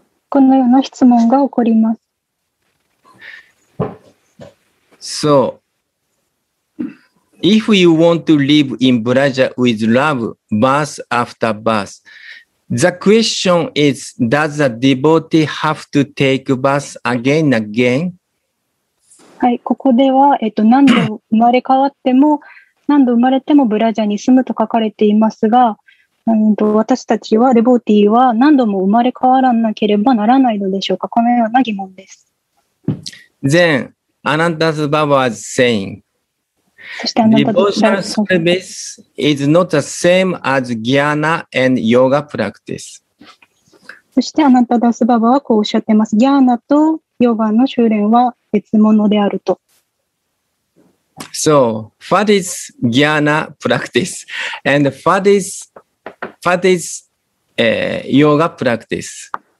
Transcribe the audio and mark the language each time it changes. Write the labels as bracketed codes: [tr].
[ja] このような質問が起こります。 [en] So, if you want to live in Braja with love, birth after birth, the question is, does a devotee have to take birth again and again? [ja] はい、ここでは、何度生まれ変わっても何度生まれてもブラジャに住むと書かれていますが、私たちはデボーティーは何度も生まれ変わらなければならないのでしょうか。このような疑問です。 [en] Then Anantas Baba was saying devotional service is not the same as Jnana and Yoga practice。 [ja] そしてアナタダスババはこうおっしゃっています。ギャーナとヨガの修練は別物であると。 [en] So, what is jnana practice? And what is yoga practice?